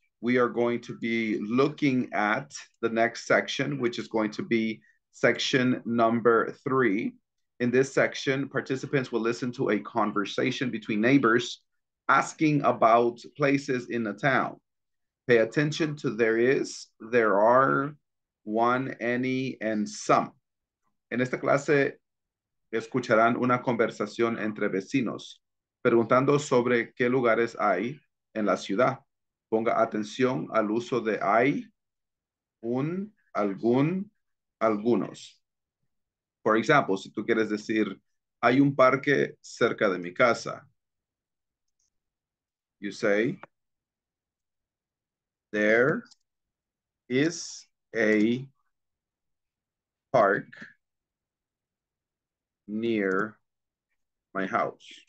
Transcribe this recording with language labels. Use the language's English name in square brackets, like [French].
[English] We are going to be looking at the next section, which is going to be section number 3. In this section, participants will listen to a conversation between neighbors asking about places in the town. Pay attention to there is, there are, one, any, and some. [Spanish] En esta clase, escucharán una conversación entre vecinos, preguntando sobre qué lugares hay en la ciudad. Ponga atención al uso de hay, un, algún, algunos. [English] For example, [Spanish] si tú quieres decir, hay un parque cerca de mi casa. [English] You say, there is a park near my house.